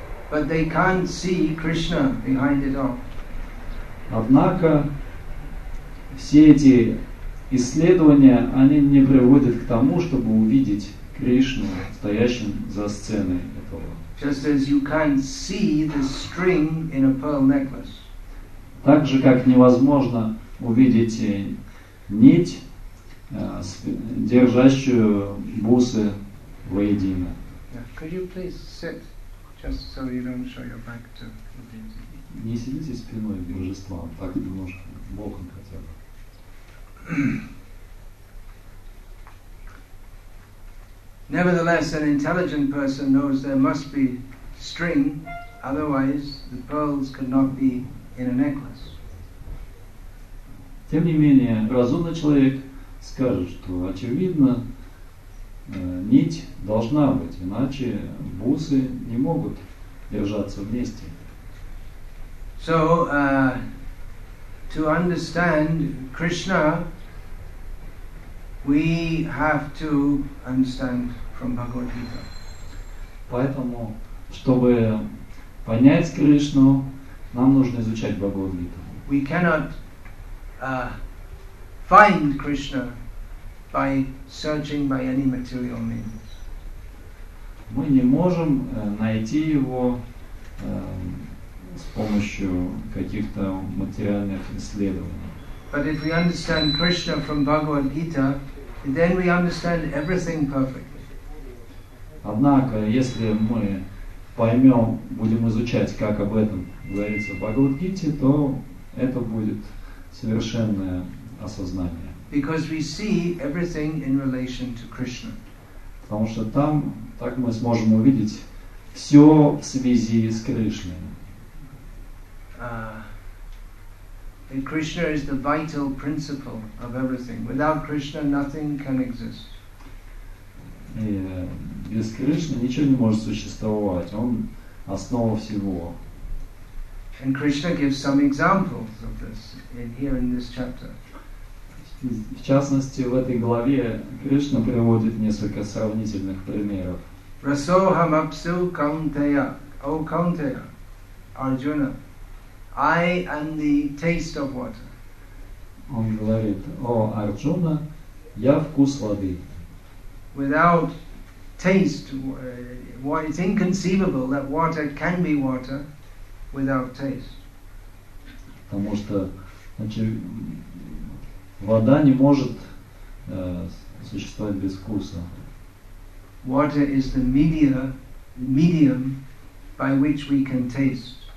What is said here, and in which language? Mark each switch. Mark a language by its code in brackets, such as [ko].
[en] But they can't see Krishna behind it all. [ru] Однако все эти исследования, они не приводят к тому, чтобы увидеть Кришну, стоящим за сценой этого. [en] Just as you can't see the string in a pearl necklace. [ru] Так же, как невозможно увидеть нить, держащую бусы воедино. [en] Yeah. Could you please sit, just so you don't show your back to the deity? [ru] Не сидите спиной к божествам, так немножко, боком хотя бы. [en] Nevertheless, an intelligent person knows there must be string, otherwise the pearls could not be in a necklace. [ru] Тем не менее, разумный человек скажет, что очевидно, нить должна быть, иначе бусы не могут держаться вместе. [en] So, to understand Krishna, we have to understand from Bhagavad Gita. [ru] Поэтому, чтобы понять Кришну, нам нужно изучать Бхагавад Гиту. [en] We cannot find Krishna by searching by any material means. [ru] Мы не можем найти его с помощью каких-то материальных исследований. [en] But if we understand Krishna from Bhagavad Gita, then we understand everything perfectly. [ru] Однако, если мы поймем, будем изучать, как об этом говорится в Бхагавад-гите, то это будет совершенное осознание. [en] Because we see everything in relation to Krishna. [ru] Потому что там так мы сможем увидеть все в связи с Кришной. [en] And Krishna is the vital principle of everything. Without Krishna, nothing can exist. [ru] И без Кришны ничего не может существовать. Он основа всего. [en] And Krishna gives some examples of this here in this chapter. [ru] В частности, в этой главе Кришна приводит несколько сравнительных примеров. [sa] Rasoham apsu kaunteya, O Kaunteya, Arjuna. [en] I am the taste of water. [ru] Он говорит: О, Арджуна, я вкус воды. [en] Without taste, what it's inconceivable that water can be water without taste. [ru] Потому что, значит, вода не может существовать без вкуса. [en] Water is the medium by which we can taste.